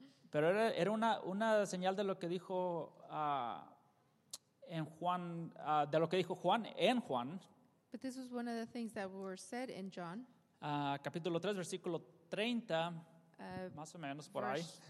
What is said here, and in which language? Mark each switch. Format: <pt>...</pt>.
<es>Pero era una señal de lo que dijo en Juan, de lo que dijo Juan en Juan.</es> <en>But this was one of the things that were said in John.</en> <es>Capítulo 3, versículo 30, más o menos por ahí.</es>